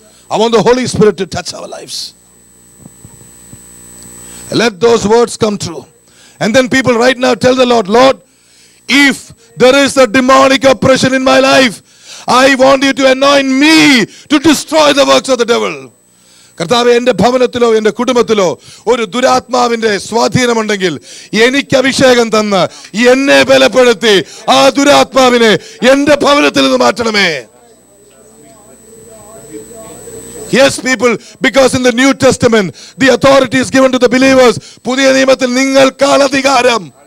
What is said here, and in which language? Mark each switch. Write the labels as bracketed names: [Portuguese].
[English] I want the Holy Spirit to touch our lives. Let those words come true. And then people right now tell the Lord, Lord, if there is a demonic oppression in my life, I want you to anoint me to destroy the works of the devil. [Malayalam] കർത്താവ്, എൻ്റെ ഭവനത്തിലോ എൻ്റെ കുടുംബത്തിലോ ഒരു ദുരാത്മാവിൻ്റെ സ്വാധീനമുണ്ടെങ്കിൽ എനിക്ക് അഭിഷേകം തന്ന് എന്നെ ബലപ്പെടുത്തി ആ ദുരാത്മാവിനെ എൻ്റെ ഭവനത്തിൽ നിന്ന് മാറ്റണമേ. [English] Yes, people, because in the New Testament, the authority is given to the believers. [Malayalam] പുതിയ നിയമത്തിൽ നിങ്ങൾക്കാണ് അധികാരം.